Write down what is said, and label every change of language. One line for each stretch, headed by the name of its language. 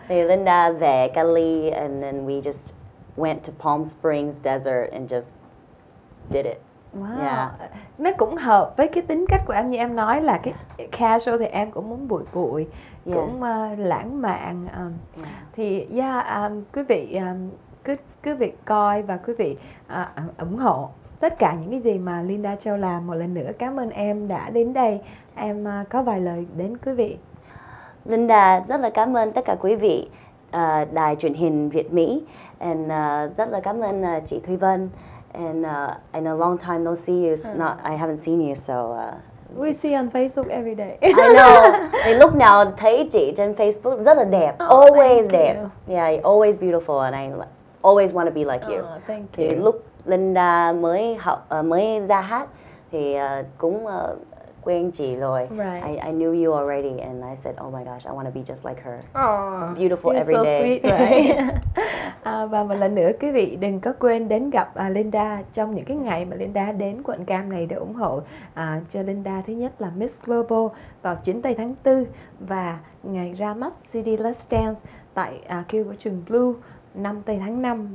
Vietnamese: Thì
English: Linda về Cali and then we just went to Palm Springs desert and just did it. Wow. Yeah.
Vietnamese: Nó cũng hợp với cái tính cách của em, như em nói là cái casual thì em cũng muốn bụi bụi, cũng lãng mạn. Thì quý vị cứ việc coi và quý vị ủng hộ tất cả những cái gì mà Linda Châu làm. Một lần nữa cảm ơn em đã đến đây. Em có vài lời đến quý vị. Linda, rất là cảm ơn tất cả quý vị đài truyền hình Việt Mỹ. And rất là cảm ơn chị Thúy Vân.
English: And in a long time no see you. I haven't seen you, so we see on Facebook every day. I know.
Vietnamese: Thì lúc nào thấy chị trên Facebook rất là đẹp.
English: Oh, always đẹp. You. Yeah, always beautiful and I always want to be like you. Oh, thank you.
Vietnamese: Thì lúc Linda mới học mới ra hát thì cũng quen chị rồi.
English: Right. I knew you already and I said, oh my gosh, I want to be just like her. Aww. Beautiful every so day. Sweet, right?
Vietnamese: Và một lần nữa quý vị đừng có quên đến gặp Linda trong những cái ngày mà Linda đến quận Cam này để ủng hộ cho Linda. Thứ nhất là Miss Global vào 9 tây tháng 4 và ngày ra mắt CD Let's Dance tại Kêu của trường Blue 5 tây tháng 5.